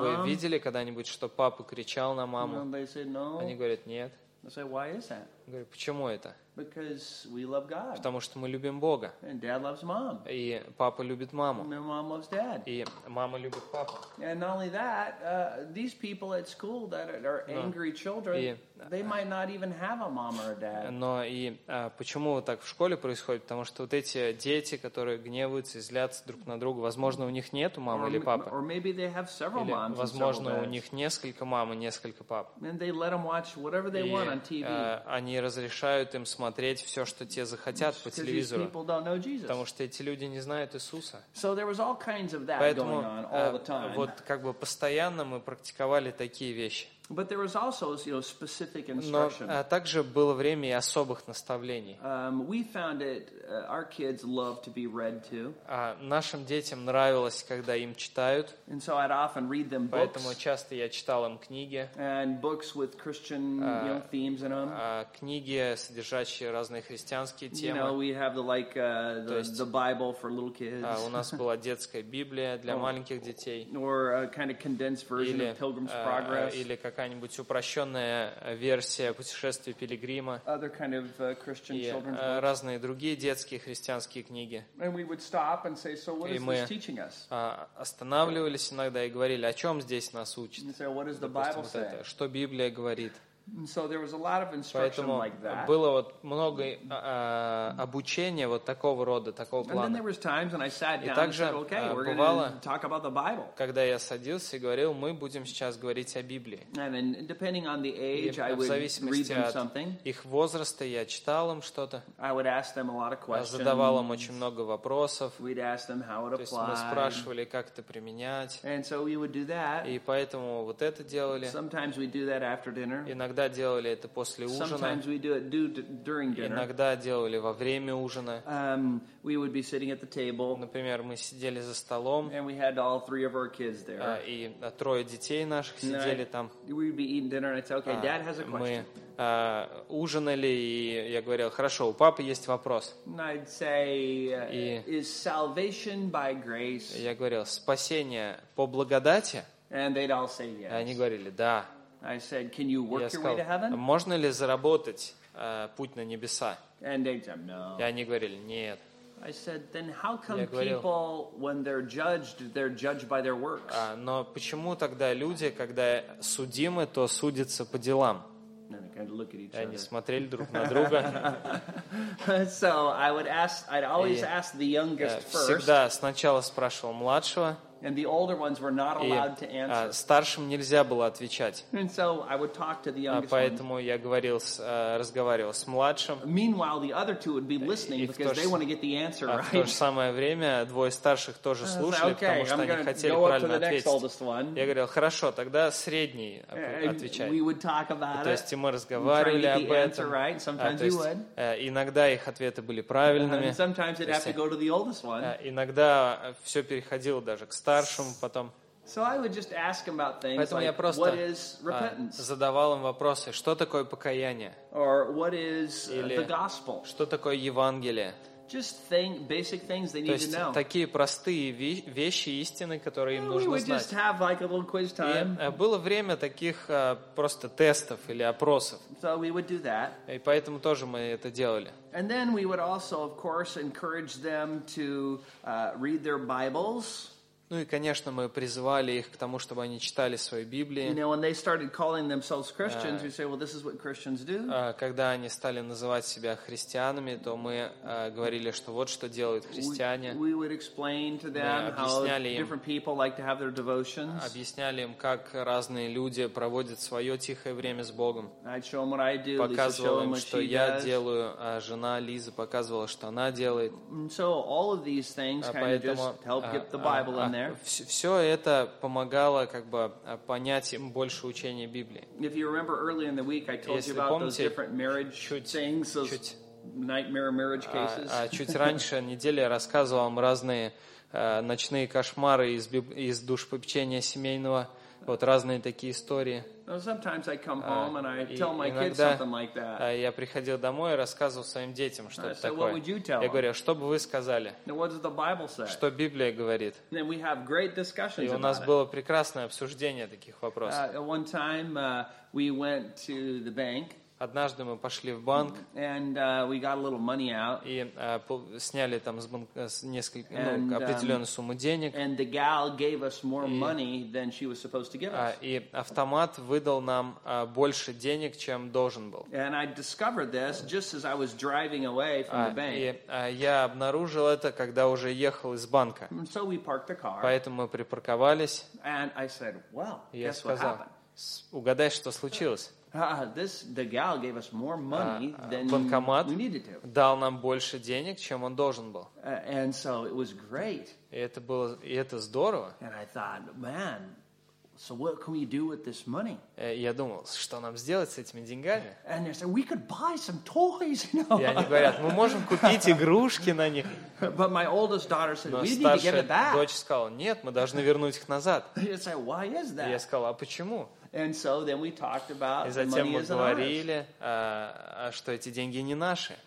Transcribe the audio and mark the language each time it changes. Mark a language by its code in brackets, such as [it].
[ru] Вы видели когда-нибудь, что папа кричал на маму? [en] They say no. [ru] Они говорят нет. [en] I say, why is that? [ru] Говорю, почему это? [en] Because we love God. [ru] Потому что мы любим Бога. [en] And dad loves mom. [ru] И папа любит маму. [en] And mom loves dad. [ru] И мама любит папу. [en] And not only that, these people at school that are angry children, they might not even have a mom or a dad. [ru] Но и почему так в школе происходит? Потому что вот эти дети, которые гневаются, злятся друг на друга, возможно, у них нету мамы или папы. [en] Or maybe they have several moms and several dads. [ru] Возможно, у них несколько мам и несколько пап. [en] And they let them watch whatever they want on TV. [ru] Они разрешают им смотреть все, что те захотят по телевизору, потому что эти люди не знают Иисуса. Поэтому вот как бы постоянно мы практиковали такие вещи. [en] But there was also, you know, specific instruction. [ru] Но также было время и особых наставлений. [en] We found it, our kids love to be read to. [ru] Нашим детям нравилось, когда им читают. [en] And so I'd often read them books. [ru] Поэтому часто я читал им книги. [en] And books with Christian, you know, themes in them. [ru] Книги, содержащие разные христианские темы. [en] You know, we have the, like, the Bible for little kids. [ru] У нас была детская Библия для маленьких детей. [en] Or a kind of condensed version of Pilgrim's Progress. [ru] Или какая-нибудь упрощенная версия путешествия пилигрима [en] kind of, [ru] и разные другие детские христианские книги. [en] Say, so [ru] и мы останавливались иногда и говорили, о чем здесь нас учат, [en] say, [ru] допустим, вот это, что Библия говорит. [en] So there was a lot of instruction [ru] Поэтому [en] like that. [ru] Было вот много обучения вот такого рода, такого плана. [en] And then there was times when I sat down [ru] также, [en] and said, "Okay, we're going to talk about the Bible." [ru] Когда я садился и говорил, мы будем сейчас говорить о Библии. [en] And then, depending on the age, I would read them something. [ru] Их возраста я читал им что-то. [en] I would ask them a lot of questions. [ru] Я задавал им очень много вопросов. [en] We'd ask them how it applied. [ru] То есть мы спрашивали, как это применять. [en] And so we would do that. [ru] И поэтому вот это делали. [en] Sometimes we do that after dinner. [ru] Иногда делали это после ужина. Иногда делали во время ужина. [en] We would be sitting at the table. [ru] Например, мы сидели за столом. [en] And we had all three of our kids there. [ru] И трое детей наших сидели там. [en] We'd be eating dinner and I'd say, okay, dad has a question. [ru] Мы ужинали, и я говорил, хорошо, у папы есть вопрос. [en] I'd say, is salvation by grace? [ru] Я говорил, спасение по благодати? [en] And they'd all say yes. [ru] Они говорили, да. [en] I said, can you work your way to heaven? [ru] Можно ли заработать путь на небеса? [en] And they said, no. [ru] И они говорили, нет. [en] I said, then how come people, when they're judged by their works? [ru] Но почему тогда люди, когда судимы, то судятся по делам? [en] And they kind of look at each other. [ru] И они смотрели друг на друга. [en] So I would ask, I'd always ask the youngest first. [ru] Всегда сначала спрашивал младшего. [en] And the older ones were not allowed to answer. [ru] Старшим нельзя было отвечать. [en] And so I would talk to the youngest. [ru] Поэтому я говорил, разговаривал с младшим. [en] Meanwhile, the other two would be listening because they want to get the answer right. [ru] В то же самое время двое старших тоже слушали, потому что они хотели правильно ответить. Я говорил, хорошо, тогда средний отвечает. [en] We would talk about it. [ru] То есть мы разговаривали об этом. [en] Sometimes we would. [ru] Иногда их ответы были правильными. [en] Sometimes it had to go to the oldest one. [ru] Иногда все переходило даже к старшему потом. [en] So I would just ask him about things, [ru] поэтому [en] like, [ru] я просто [en] what is repentance? [ru] Задавал им вопросы, что такое покаяние? [en] Or what is, [ru] или [en] the gospel? [ru] Что такое Евангелие? [en] Just think basic things they need [ru] то есть [en] to know. [ru] Такие простые вещи, истины, которые им нужно [en] we [ru] знать. [en] Have, like, a little quiz time. [ru] И было время таких просто тестов или опросов. [en] So we would do that. [ru] И поэтому тоже мы это делали. [en] And then we would also, of course, encourage them to read their Bibles. [ru] Ну и, конечно, мы призывали их к тому, чтобы они читали свои Библии. [en] You know, when they started calling themselves Christians, we say, well, this is what Christians do. [ru] Когда они стали называть себя христианами, то мы говорили, что вот что делают христиане. [en] We would explain to them how different people like to have their devotions. [ru] Объясняли им, как разные люди проводят свое тихое время с Богом. [en] I'd show them what I do. [ru] Показывал им, что я [en] does. [ru] Делаю, а жена Лиза показывала, что она делает. [en] And so all of these things kind of just help get the Bible out. [ru] Все это помогало как бы понять им больше учения Библии. [en] If you remember early in the week, I told [ru] Если [en] you about [ru] помните, [en] those different marriage [ru] чуть, [en] things, those [ru] чуть, [en] nightmare marriage cases. [ru] Чуть раньше, неделя, я рассказывал вам разные ночные кошмары из душепопечения семейного. Вот разные такие истории. [en] Sometimes I come home and I tell my kids something like that. [ru] Я приходил домой и рассказывал своим детям что-то такое. [en] What would you tell them? [ru] Я говорю, что бы вы сказали? [en] What does the Bible say? [ru] Что Библия говорит? [en] And then we have great discussions. [ru] И у нас было прекрасное обсуждение таких вопросов. [en] One time we went to the bank. [ru] Однажды мы пошли в банк [en] and, we got a little money out. [ru] И сняли там с банка несколько, ну, определенную сумму денег. [en] And the gal gave us more money than she was supposed to give us. [ru] И автомат выдал нам больше денег, чем должен был. [en] And I discovered this just as I was driving away from the bank. [ru] И я обнаружил это, когда уже ехал из банка. [en] And so we parked the car. [ru] Поэтому мы припарковались. [en] And I said, well, [ru] я сказал, угадай, что случилось. [en] The gal gave us more money than [ru] банкомат [en] we needed to. [ru] Дал нам больше денег, чем он должен был. [en] And so it was great. [ru] И это здорово. [en] And I thought, man, so what can we do with this money? [ru] Я думал, что нам сделать с этими деньгами? [en] And they said, we could buy some toys, you know. [ru] И они говорят, мы можем купить игрушки на них. [en] But my oldest daughter said, [ru] но [en] we need to give it back. [ru] Дочь сказала, нет, мы должны вернуть их назад. [en] I said, why is that? [ru] И я сказал, а почему? [en] And so then we talked about [ru] и затем [en] the money [ru] мы говорили, что эти деньги не наши.